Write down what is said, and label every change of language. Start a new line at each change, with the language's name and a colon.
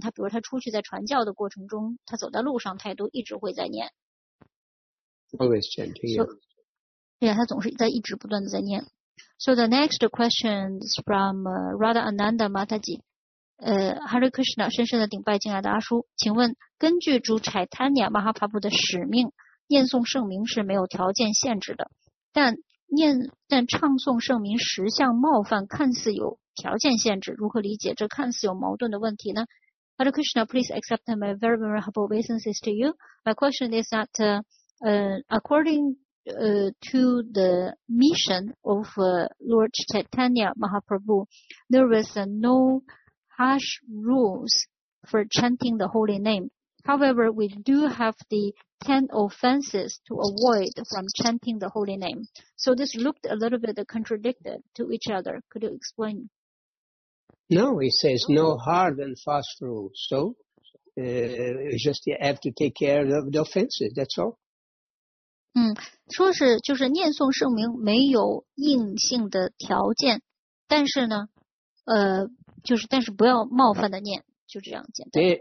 Chinese: 他比如他出去在传教的过程中，他走在路上，他也都一直会在念。
English: Always chanting. So, yeah,
Chinese: 他总是在一直不断的在念。
English: So the next question is from Radha Ananda Mataji.
Chinese: Hare Krishna, 深深的顶拜敬爱的阿叔，请问根据主 Chaitanya Mahaprabhu 的使命，念诵圣名是没有条件限制的，但唱诵圣名十项冒犯看似有条件限制，如何理解这看似有矛盾的问题呢？
English: Hare Krishna, please accept my very very humble obeisances to you. My question is that according to the mission of Lord Chaitanya Mahaprabhu, there was no harsh rules for chanting the holy name. However, we do have the 10 offenses to avoid from chanting the holy name. So this looked a little bit contradicted to each other. Could you explain? No, he says no hard and fast rules. So you have to take care of the offenses, that's all.
Chinese: 说是就是念诵圣名没有硬性的条件，但是呢但是不要冒犯的念，就这样简单。